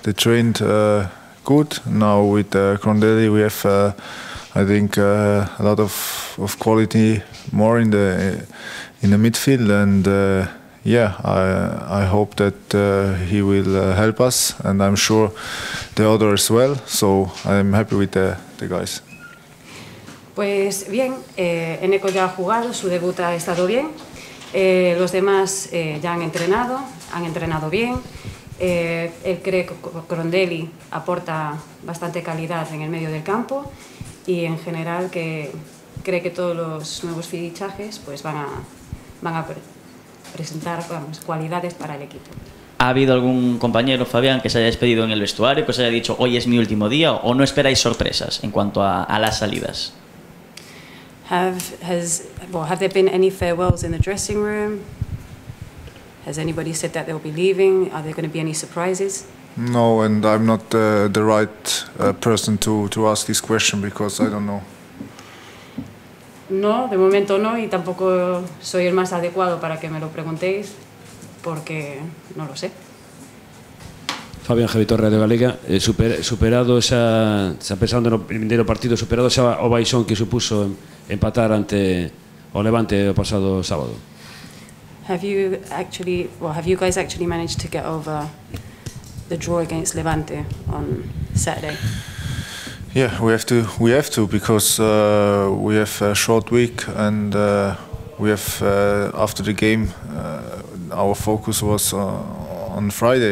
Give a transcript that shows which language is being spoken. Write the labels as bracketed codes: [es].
[en] They trained good. Now with Crondelli, we have I think a lot of quality more in the midfield, and yeah, I hope that he will help us, and I'm sure the other as well. So I'm happy with the guys. [es] Pues bien, Eneko ya ha jugado, su debut ha estado bien. Los demás ya han entrenado bien. Él cree que Crondelli aporta bastante calidad en el medio del campo y en general que cree que todos los nuevos fichajes pues van a presentar, vamos, cualidades para el equipo. ¿Ha habido algún compañero, Fabián, que se haya despedido en el vestuario, que se haya dicho hoy es mi último día, o no esperáis sorpresas en cuanto a las salidas? [en] Have there been any farewells in the dressing room? Has anybody said that they'll be leaving? Are there going to be any surprises? No, and I'm not the right person to ask this question because I don't know. [es] No, de momento no, y tampoco soy el más adecuado para que me lo preguntéis porque no lo sé. Fabián Javitor, Radio Galega, superado esa pensando en el primer partido, superado esa ovación que supuso empatar ante o Levante el pasado sábado. [en] Have you guys actually managed to get over the draw against Levante on Saturday? Yeah, we have to because we have a short week, and we have after the game our focus was on Friday.